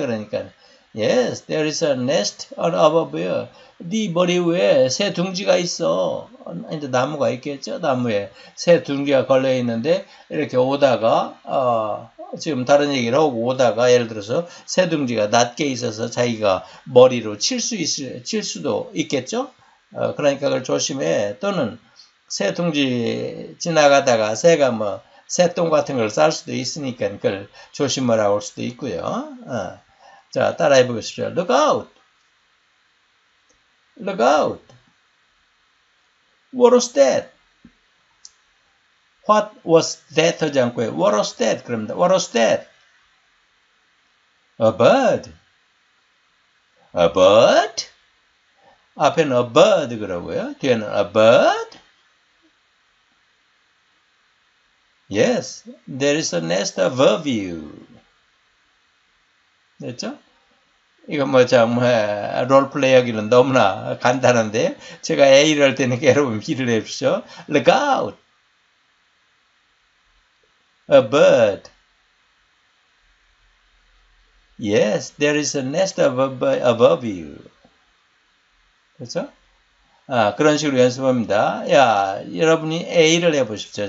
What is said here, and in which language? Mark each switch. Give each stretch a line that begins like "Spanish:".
Korean: 그러니까
English: yes, there is a nest on above you.
Korean: 네 머리 위에 새 둥지가 있어. 이제 나무가 있겠죠? 나무에 새 둥지가 걸려 있는데 이렇게 오다가 지금 다른 얘기를 하고 오다가 예를 들어서 새둥지가 낮게 있어서 자기가 머리로 칠 수도 있겠죠? 그러니까 그걸 조심해. 또는 새둥지 지나가다가 새가 뭐 새똥 같은 걸쌀 수도 있으니까 그걸 조심하라고 할 수도 있고요. 자, 따라해 보겠습니다.
English: Look out! Look out! What was that? What was that
Korean: 하지 않고요.
English: What was that?
Korean: 그럽니다.
English: What was that? A bird. A bird?
Korean: 앞에는 a bird 그러고요. 뒤에는 a bird?
English: Yes, there is a nest above you.
Korean: 됐죠? 이거 뭐, 참, 롤플레이 하기는 너무나 간단한데. 제가 A를 할 때는 여러분 B를 해주십시오.
English: Look out! A bird. Yes, there is a nest above you.
Korean: 그렇죠? 아, 그런 식으로 연습합니다. 야, 여러분이 A를 해보십시오.